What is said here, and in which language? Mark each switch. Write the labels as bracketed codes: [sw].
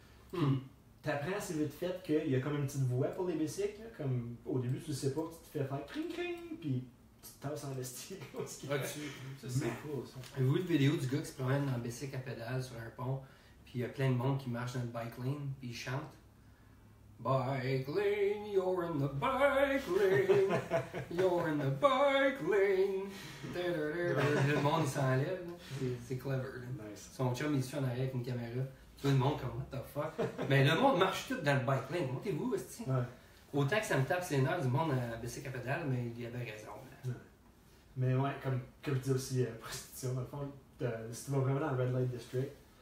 [fr] Puis, t'apprends assez vite fait qu'il y a comme une petite voie pour les BC, comme au début, tu sais pas, tu te fais faire cring cring, puis tu te tasses en vestiaire. Ça. Avez-vous vu une vidéo du gars qui se promène en BC à pédale sur un pont, puis il y a plein de monde qui marche dans le bike lane, puis ils chantent? [en] Bike lane, you're in the bike lane, you're in the bike lane. [fr] Le monde s'enlève, c'est clever. [en] Nice. [fr] Son chum il se fait en arrière avec une caméra. Tu vois le monde comme [en] what the fuck. [fr] Mais le monde marche tout dans le bike lane. Montez-vous, ouais. Autant que ça me tape ses nerfs du monde à baisser la pédale, mais il y avait raison. Ouais. Mais ouais, comme je dis aussi, prostitution, dans le fond, si tu vas vraiment dans le Red Light District.